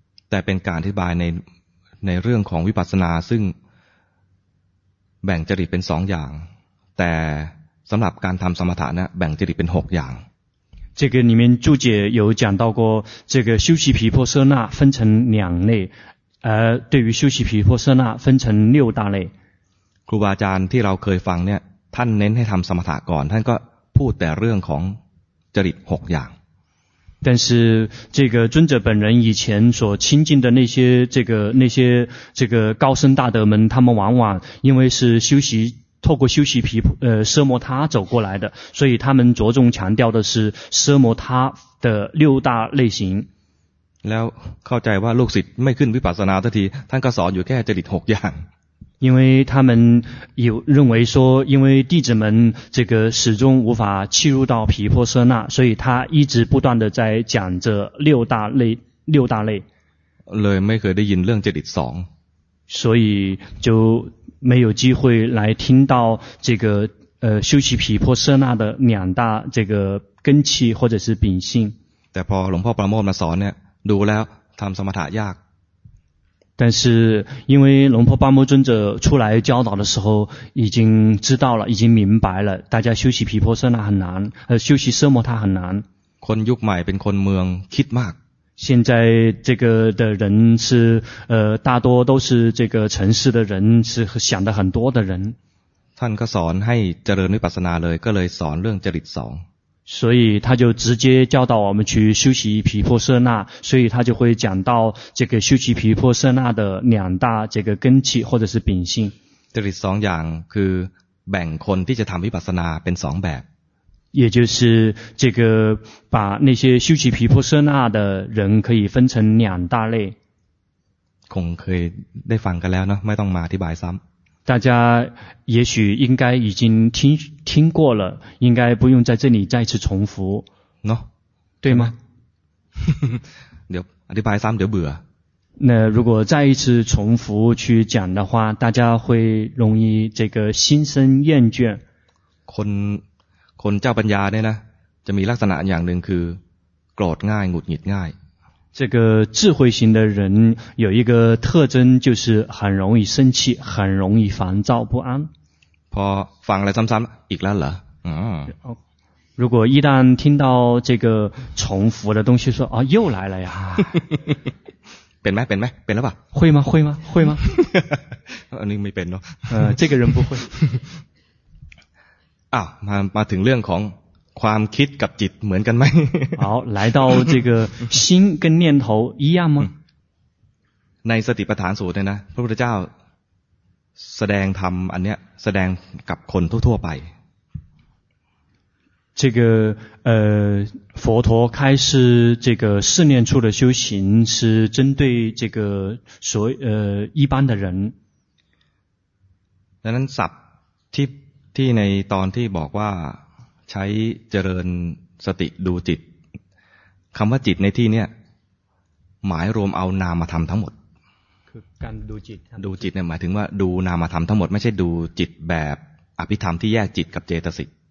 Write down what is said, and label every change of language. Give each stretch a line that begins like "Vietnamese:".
Thai: แต่เป็นการอธิบายในเรื่องของวิปัสสนาซึ่งแบ่งจริตเป็น2อย่างแต่สำหรับการทำสมถะนะแบ่งจริตเป็น6อย่าง
Chinese: 这个里面注解有讲到过这个修习毗婆舍那分成两类对于修习毗婆舍那分成六大类
Thai: ครูบาอาจารย์ที่เราเคยฟังเนี่ยท่านเน้นให้ทำสมถะก่อนท่านก็พูดแต่เรื่องของจริต6อย่าง
Chinese: 但是这个尊者本人以前所亲近的那些这个那些这个高僧大德们他们往往因为是修习透过修习毗婆奢摩他走过来的所以他们着重强调的是奢摩他的六大类型
Thai: แล้วเข้าใจว่าลูกศิษย์ไม่ขึ้นวิปัสสนาทันทีท่านก็สอนอยู่แค่จริต6อย่าง
Chinese: 因为他们有认为说因为弟子们这个始终无法契入到毗婆舍那所以他一直不断的在讲着六大类六大类
Thai: เลยไม่เคยได้ยินเรื่องจริต2
Chinese: 所以就没有机会来听到这个修习毗婆舍那的两大这个根器或者是秉性
Thai: แต่พอหลวงพ่อประโมทมาสอนเนี่ยดูแล้วทำสมถะยาก
Chinese: 但是因为龙婆巴摩尊者出来教导的时候已经知道了已经明白了大家修习毗婆舍那很难修习奢摩他很难
Thai: คนยุคใหม่เป็นคนเมืองคิดมาก
Chinese: 现在这个的人是大多都是这个城市的人是想的很多的人
Thai: ท่านก็สอนให้เจริญวิปัสสนาเลยก็เลยสอนเรื่องจริต2
Chinese: 所以他就直接教导我们去修习毗婆舍那所以他就会讲到这个修习毗婆舍那的两大这个根器或者是秉性这里
Thai: 2อย่างคือแบ่งคนที่จะทำวิปัสสนาเป็น2แบบ
Chinese: 也就是这个把那些修习毗婆舍那的人可以分成两大类
Thai: คงเคยได้ฟังกันแล้วเนาะไม่ต้องมาอธิบายซ้ำ
Chinese: 大家也许应该已经听过了应该不用在这里再次重复
Thai: เนาะ
Chinese: 对吗
Thai: เดี๋ยวอธิบายซ้ำเดี๋ยวเบื่อ
Chinese: 那如果再一次重复去讲的话大家会容易这个心生厌倦
Thai: คนเจ้าปัญญาเนี่ยนะจะมีลักษณะอย่างหนึ่งคือโกรธง่ายหงุดหงิดง่าย
Chinese: 这个智慧型的人有一个特征就是很容易生气很容易烦躁不安
Thai: พอฟังอะไรซ้ำๆอีกแล้วเหร
Chinese: อ如果一旦听到这个重复的东西说啊又来了呀
Thai: เป็นไหมเป็นไหมเป็นแล้วป่ะ
Chinese: 会吗会吗会吗
Thai: อันนี้ไม่เป็นเนาะ
Chinese: 这个人不会
Thai: อ้าวมาถึงเรื่องของความคิดกับจิตเหมือนกันไหม
Chinese: 好来到这个心跟念头一样吗
Thai: ในสติปัฏฐานสูตรเนี่ยนะพระพุทธเจ้าแสดงธรรมอันเนี้ยแสดงกับคนทั่วๆไป
Chinese: 这个佛陀开示这个四念处的修行是针对这个所一般的人
Thai: ดังนั้นศัพท์ที่ในตอนที่บอกว่าใช้เจริญสติดูจิตคำว่าจิตในที่นี้หมายรวมเอานามธรรมทั้งหมด คือการดูจิต ดูจิตเนี่ยหมายถึงว่าดูนามธรรมทั้งหมดไม่ใช่ดูจิตแบบอภิธรรมที่แยกจิตกับเจตสิก